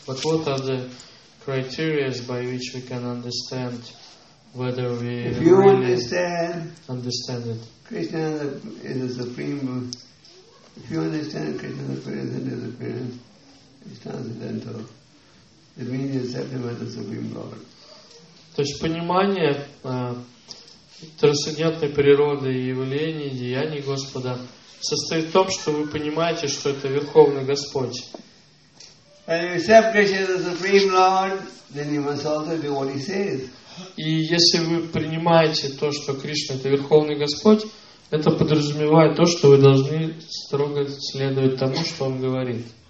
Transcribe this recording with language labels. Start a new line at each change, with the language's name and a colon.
English: But what are the criteria by which we can understand? Whether we if you really understand it. Krishna is the supreme. If you understand Krishna's appearance and his appearance, it's transcendental. It means you accept him as the supreme Lord.
Russian: То есть понимание трансцендентной природы и явлений, деяний Господа состоит в том, что вы понимаете, что это Верховный Господь.
English: And if you accept Krishna as the Supreme Lord, then you must also do what he says.
Russian: И если вы принимаете то, что Кришна это Верховный Господь, это подразумевает то, что вы должны строго следовать тому, что Он говорит.